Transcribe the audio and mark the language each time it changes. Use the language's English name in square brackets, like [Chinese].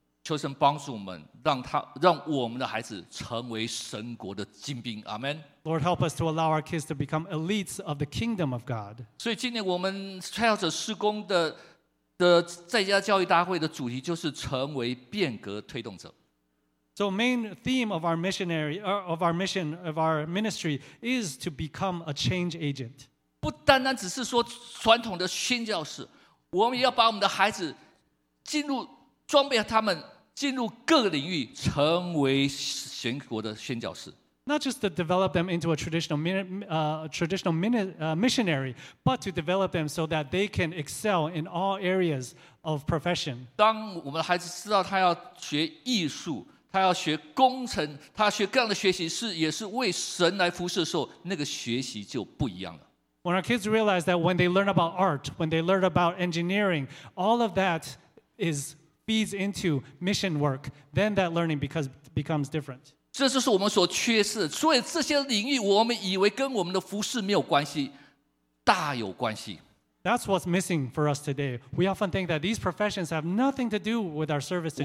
[Chinese] 求神帮助我们，让他让我们的孩子成为神国的精兵。 [English] Amen. Lord, help us to allow our kids to become elites of the kingdom of God. [Chinese] 所以今年我们创造者施工的在家教育大会的主题就是成为变革推动者。 [English] So main theme of our missionary, of our mission, of our ministry is to become a change agent. [Chinese] 不单单只是说传统的新教士，我们要把我们的孩子进入。装备他们进入各个领域，成为神国的宣教士。 [English] Not just to develop them into a traditional missionary, but to develop them so that they can excel in all areas of profession. [Chinese] 当我们的孩子知道他要学艺术，他要学工程，他要学各样的学习是也是为神来服侍的时候，那个学习就不一样了。 [English] When our kids realize that when they learn about art, when they learn about engineering, all of that is feeds into mission work, then that learning becomes different. [Chinese] 这就是我们所缺失的。所以这些领域我们以为跟我们的服事没有关系，大有关系。 [English] That's what's missing for us today. We often think that these professions have nothing to do with our service in church.